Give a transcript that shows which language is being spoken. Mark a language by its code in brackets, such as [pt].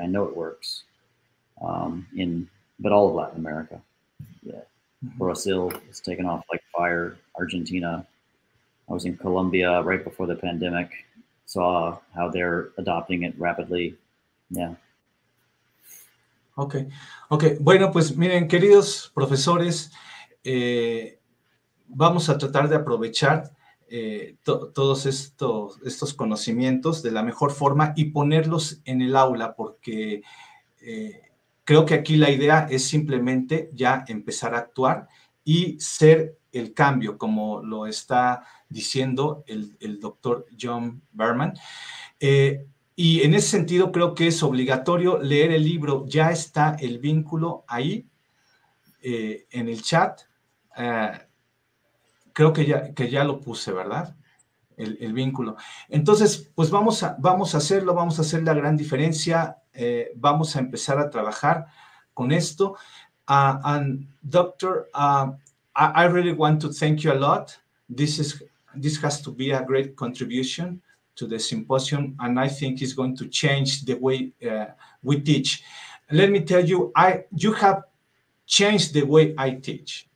[en] I know it works but all of Latin America. Yeah. Brazil has taken off like fire. Argentina. I was in Colombia right before the pandemic, saw how they're adopting it rapidly. Yeah. Okay. Okay. [es] Bueno, pues miren, queridos profesores, vamos a tratar de aprovechar todos estos conocimientos de la mejor forma y ponerlos en el aula, porque creo que aquí la idea es simplemente ya empezar a actuar y ser el cambio, como lo está diciendo el doctor Jon Bergmann. Y en ese sentido creo que es obligatorio leer el libro. Ya está el vínculo ahí en el chat. Creo que ya lo puse, ¿verdad? El vínculo. Entonces, pues vamos a hacer la gran diferencia. Vamos a empezar a trabajar con esto. [en] I really want to thank you a lot. This has to be a great contribution to the symposium, and I think it's going to change the way we teach. Let me tell you, you have changed the way I teach.